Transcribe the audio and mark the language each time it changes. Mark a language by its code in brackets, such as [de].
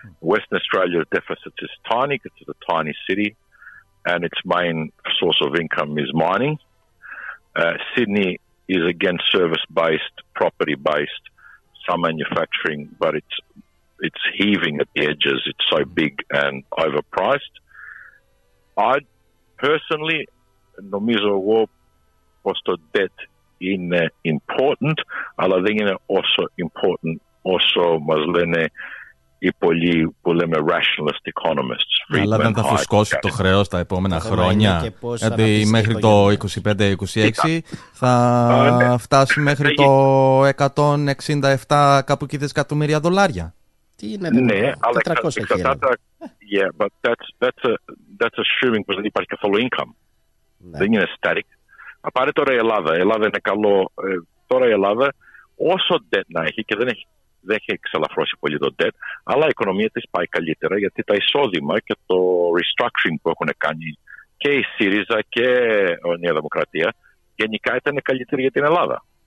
[en] Western Australia's deficit is tiny, because it's a tiny city. And its main source of income is mining. Sydney is again service-based, property-based, some manufacturing, but it's heaving at the edges. It's so big and overpriced. I personally, [el] νομίζω εγώ πως το debt είναι important, αλλά δεν είναι όσο important όσο μας λένε οι πολλοί που λέμε [en] rationalist economists. [el] Αλλά δεν θα φουσκώσει το χρέος τα επόμενα χρόνια, γιατί μέχρι το 25-26 θα φτάσει μέχρι το 167 κάπου εκεί δισεκατομμύρια δολάρια. Τι είναι, αλλά 400 [en] Yeah, but that's assuming because there's no capital income. [el] Δεν είναι static. Α, πάρε τώρα η Ελλάδα. Η Ελλάδα είναι καλό. Τώρα η Ελλάδα, όσο debt να έχει, και δεν έχει, δεν έχει εξαλαφρώσει πολύ το debt, αλλά η οικονομία της πάει καλύτερα, γιατί τα εισόδημα και το restructuring που έχουν κάνει και η ΣΥΡΙΖΑ και η Νέα Δημοκρατία γενικά ήταν καλύτερη για την Ελλάδα.